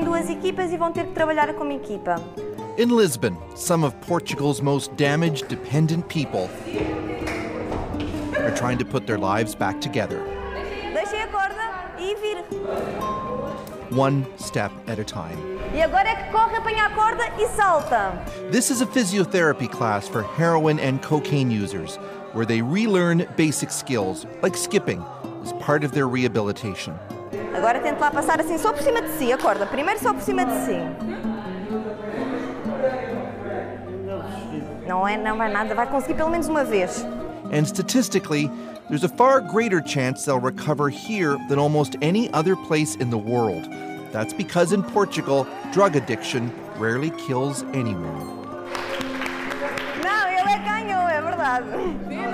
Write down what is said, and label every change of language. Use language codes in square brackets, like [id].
[pt] equipas e vão ter que trabalhar como equipa. [en] In Lisbon, some of Portugal's most damaged, dependent people are trying to put their lives back together. [pt] Deixem a corda e vir. [en] One step at a time. [pt] E agora é que corre, apanha a corda e salta. [en] This is a physiotherapy class for heroin and cocaine users, where they relearn basic skills, like skipping, as part of their rehabilitation. [pt] Agora tente lá passar assim, só por cima de si, a corda. Primeiro só por cima de si. Não é, não vai nada, vai conseguir pelo menos uma vez. [en] And statistically, there's a far greater chance they'll recover here than almost any other place in the world. That's because in Portugal, drug addiction rarely kills anyone. [pt] Não, ele ganhou, é verdade.